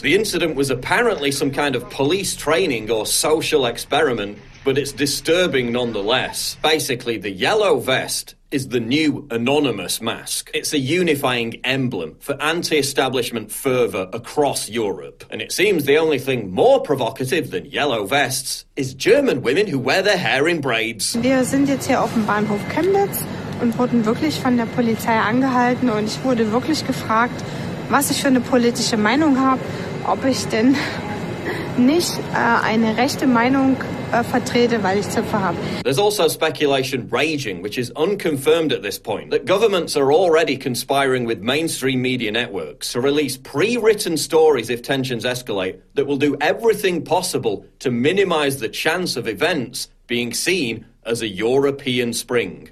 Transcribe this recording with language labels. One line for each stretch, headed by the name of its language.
English: The incident was apparently some kind of police training or social experiment, but it's disturbing nonetheless. Basically, the yellow vest is the new anonymous mask. It's a unifying emblem for anti-establishment fervor across Europe. And it seems the only thing more provocative than yellow vests is German women who wear their hair in braids.
German: Wir sind jetzt hier auf dem Bahnhof Chemnitz und wurden wirklich von der Polizei angehalten und ich wurde wirklich gefragt, was ich für eine politische Meinung habe, ob ich denn nicht eine rechte Meinung
English: There's also speculation raging, which is unconfirmed at this point, that governments are already conspiring with mainstream media networks to release pre-written stories if tensions escalate that will do everything possible to minimize the chance of events being seen as a European spring.